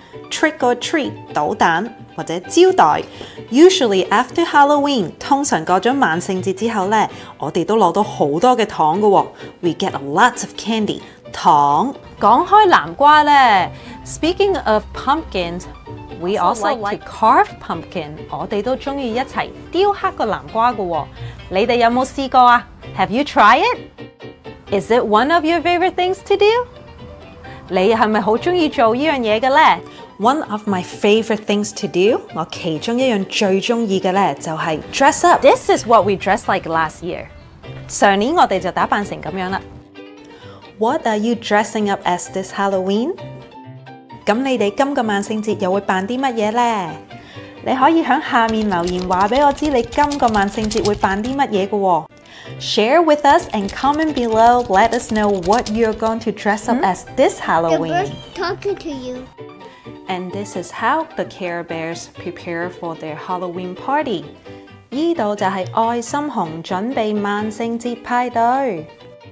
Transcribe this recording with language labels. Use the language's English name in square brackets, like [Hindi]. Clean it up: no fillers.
[English] Trick or treat， [Cantonese] 捣蛋或者招待。 [English] Usually after Halloween， [Cantonese] 通常过咗万圣节之后咧，我哋都攞到好多嘅糖噶。 [English] We get a lot of candy， 糖。 [Cantonese] 讲开南瓜咧 [English] ，Speaking of pumpkins， we also like to carve pumpkin。 [Cantonese] 我哋都中意一齐雕刻个南瓜噶。你哋有冇试过啊 ？ [English] Have you tried it？ Is it one of your favorite things to do？ [Cantonese] 你系咪好中意做依样嘢嘅咧？ [English] One of my favorite things to do， [Cantonese] 我其中一样最中意嘅咧就系 [English] dress up。 This is what we dressed like last year。 [Cantonese] 上年我哋就打扮成咁样啦。 [English] What are you dressing up as this Halloween？ [Cantonese] 咁你哋今个万圣节又会扮啲乜嘢咧？你可以响下面留言话俾我知你今个万圣节会扮啲乜嘢嘅。 [English] Share with us and comment below. Let us know what you're going to dress up as this Halloween. The bird's talking to you. And this is how the Care Bears prepare for their Halloween party. [Cantonese] 依度就係愛心熊準備萬聖節派對。